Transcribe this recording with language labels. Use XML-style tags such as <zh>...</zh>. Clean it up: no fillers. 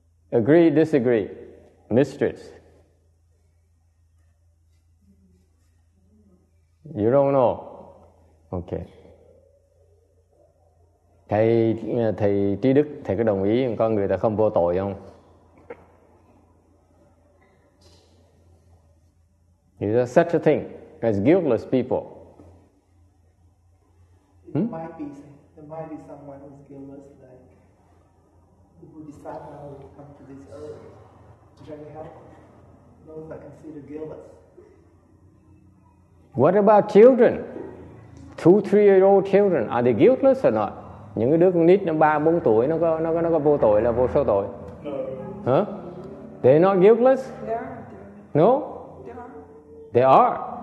<en>Agree, disagree, mistress. You don't know. Okay.</en> <vi>Thầy Trí Đức, thầy có đồng ý con người ta không vô tội không?</vi> <en>Is there such a thing as guiltless people? There might be someone who's guiltless, like who decide now to come to this earth. Does that help? Those are considered guiltless. What about children? 2-3-year-old children, are they guiltless or not?</en> <vi>Những cái đứa con nít nó 3-4 tuổi nó có vô tội là vô số tội.</vi> <en>No. Huh? They're not guiltless? They're. No? They are.</en>